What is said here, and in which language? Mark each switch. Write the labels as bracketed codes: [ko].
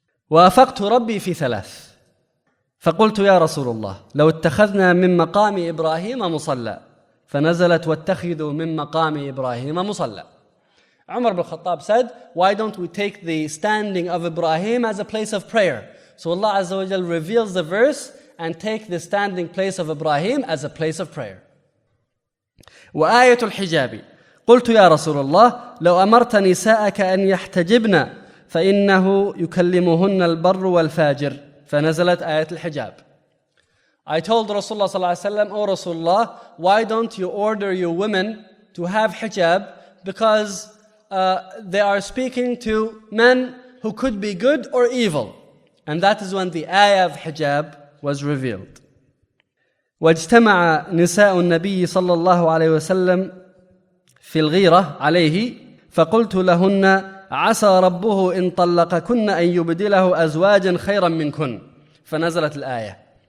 [ar] وَأَفَقْتُ رَبِّي فِي ثَلَاثٍ فَقُلْتُ يَا رَسُولُ اللَّهِ لَوْ اتَّخَذْنَا مِنْ مَقَامِ إِبْرَاهِيمَ مُصَلَّى فَنَزَلَتْ وَاتَّخِذُوا مِنْ مَقَامِ إِبْرَاهِيمَ مُصَلَّى. [en] Umar ibn al-Khattab said, why don't we take the standing of Ibrahim as a place of prayer? So Allah Azza wa Jal reveals the verse and take the standing place of Ibrahim as a place of prayer. [ar] وآية الحجاب قلت يا رسول الله لو أمرت نساءك أن يحتجبن فإنه يكلمهن البر والفاجر فنزلت آية الحجاب. [en] I told Rasulullah [ar] صلى الله عليه وسلم, [en] O Rasulullah, why don't you order your women to have hijab, because they are speaking to men who could be good or evil. And that is when the ayah of hijab was revealed. [ar] واجتمع نساء النبي صلى الله عليه وسلم في الغيرة عليه فقلت لهن عسى ربه إن طلقكن أن يبدله أزواجا خيرا منكن فنزلت الآية.